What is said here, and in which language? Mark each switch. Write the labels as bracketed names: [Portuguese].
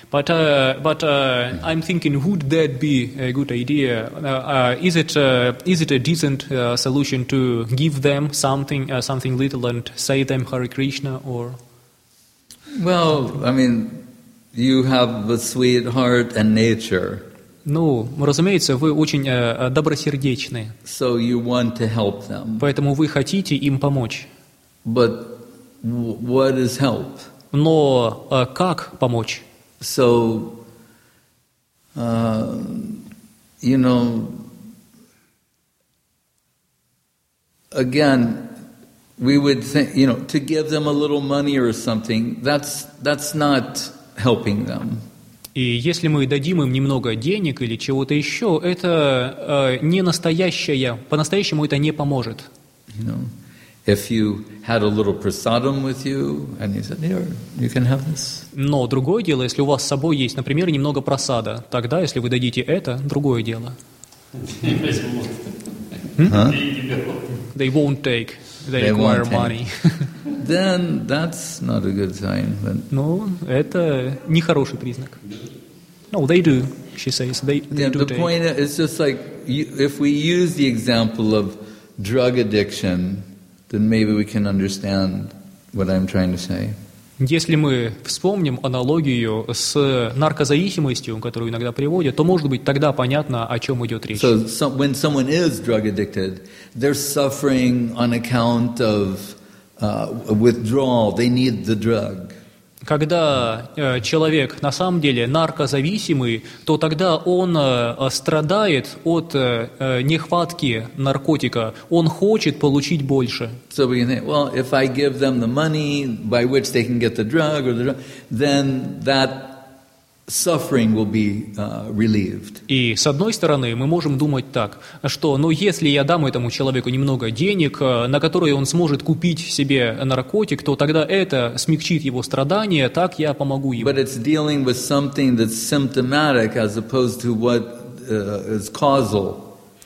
[English] But I'm thinking, would that be a good idea? Is it a decent solution to give them something little and say them Hare Krishna or? Well, I mean, you have a sweet heart and nature. [Russian] Ну, разумеется, вы очень добросердечны. [English] So you want to help them. [Russian] Поэтому вы хотите им помочь. [English] But what is help? [Russian] Но как помочь? [English] So, you know, again, we would think, you know, to give them a little money or something, that's not helping them. [Russian] И если мы дадим им немного денег или чего-то еще, это не настоящее, по-настоящему это не поможет. [English] You know, if you had a little prasadam with you, and you said, here, you can have this. [Russian] Но другое дело, если у вас с собой есть, например, немного просада, тогда, если вы дадите это, другое дело. [English] They won't take. They require money. Then that's not a good sign. But... [Russian] No, это не хороший признак. [English] No, they do. She says they yeah, do. The take. Point is just like if we use the example of drug addiction, then maybe we can understand what I'm trying to say. [Russian] Если мы вспомним аналогию с наркозависимостью, которую иногда приводят, то, может быть, тогда понятно, о чем идет речь. [English] So when someone is drug addicted, they're suffering on account of withdrawal. They need the drug. [Russian] Когда человек на самом деле наркозависимый, то тогда он страдает от нехватки наркотика. Он хочет получить больше. [English] So we can think, well, if I give them the money by which they can get the drug or the drug, then that suffering will be relieved. [Russian] И с одной стороны, мы можем думать так, что, ну, если я дам этому человеку немного денег, на которые он сможет купить себе наркотик, то тогда это смягчит его страдания, так я помогу ему. [English] But it's dealing with something that's symptomatic as opposed to what is causal.